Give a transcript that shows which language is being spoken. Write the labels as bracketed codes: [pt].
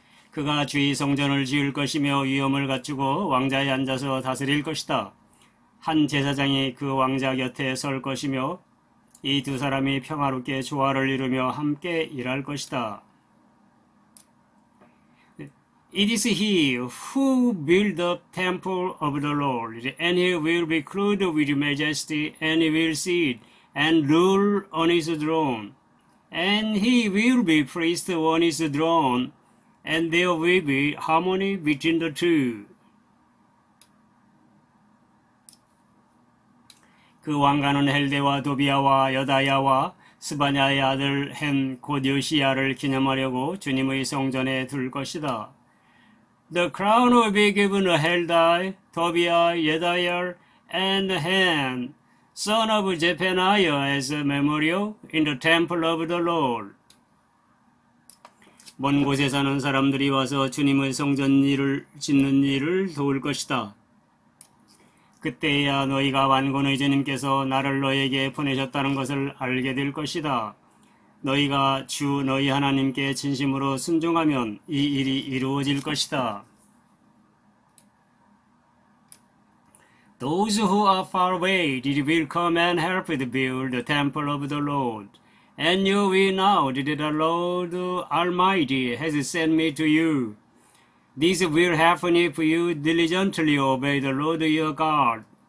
[ko] 그가 주의 성전을 지을 것이며 위엄을 갖추고 왕좌에 앉아서 다스릴 것이다. 한 제사장이 그 왕좌 곁에 설 것이며 이두 사람이 평화롭게 조화를 이루며 함께 일할 것이다. [en] It is he who built the temple of the Lord, and he will be clothed with majesty, and he will sit and rule on his throne. And he will be priest on his throne, and there will be harmony between the two. [ko] 그 왕가는 헬데와 도비아와 여다야와 스바냐의 아들 햄곧 요시야를 기념하려고 주님의 성전에 둘 것이다. [en] The crown will be given to Heldai, Tobiah, Yedaiah, and Ham, son of Zephaniah, as a memorial in the temple of the Lord. [ko] 먼 곳에 사는 사람들이 와서 주님의 성전 일을 짓는 일을 도울 것이다. 그때야 너희가 만군의 주님께서 나를 너희에게 보내셨다는 것을 알게 될 것이다. 너희가 주 너희 하나님께 진심으로 순종하면 이 일이 이루어질 것이다. [en] Those who are far away will come and help to build the temple of the Lord. And you will know that the Lord Almighty has sent me to you. This will happen if you diligently obey the Lord your God.